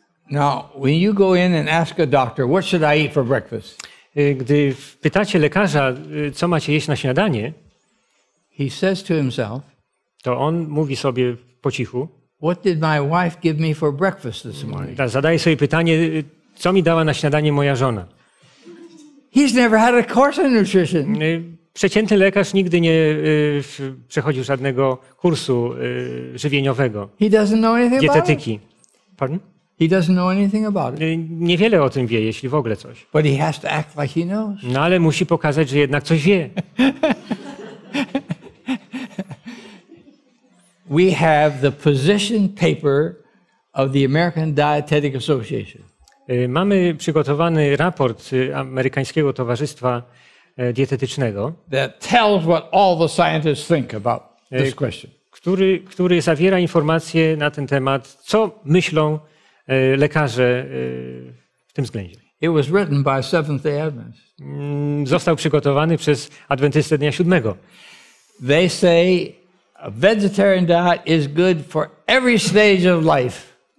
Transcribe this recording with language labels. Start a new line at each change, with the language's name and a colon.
English: Now, when you go in and ask a doctor, what should I eat for breakfast?
Polish: Gdy pytacie lekarza, co macie jeść na śniadanie,
English: he says to himself,
Polish: to on mówi sobie po cichu,
English: what did my wife give me for breakfast this morning?
Polish: Zadaje sobie pytanie, co mi dała na śniadanie moja żona.
English: He's never had a course in nutrition.
Polish: Przeciętny lekarz nigdy nie przechodził żadnego kursu żywieniowego,
English: he doesn't know anything
Polish: dietetyki.
English: About it. Pardon? He doesn't know anything about it.
Polish: Niewiele o tym wie, jeśli w ogóle coś.
English: But he has to act like he knows.
Polish: No ale musi pokazać, że jednak coś wie.
English: We have the position paper of the American Dietetic Association.
Polish: Mamy przygotowany raport Amerykańskiego Towarzystwa Dietetycznego,
English: that tells what all the scientists think about this question.
Polish: który zawiera informacje na ten temat, co myślą lekarze w tym względzie.
English: It was written by Seventh-day Adventists.
Polish: Został przygotowany przez Adwentystę Dnia Siódmego.
English: They say a vegetarian diet is good for every stage of life.